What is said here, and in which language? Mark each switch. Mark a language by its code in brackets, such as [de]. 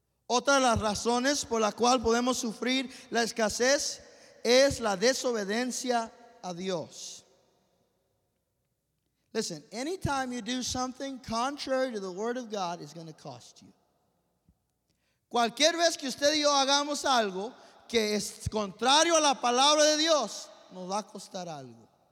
[es] Otra de las razones por la cual podemos sufrir la escasez es la desobediencia a Dios. [en] Listen, anytime you do something contrary to the word of God, it's going to cost you. [es] Cualquier vez que usted y yo hagamos algo que es contrario a la palabra de Dios, nos va a costar algo.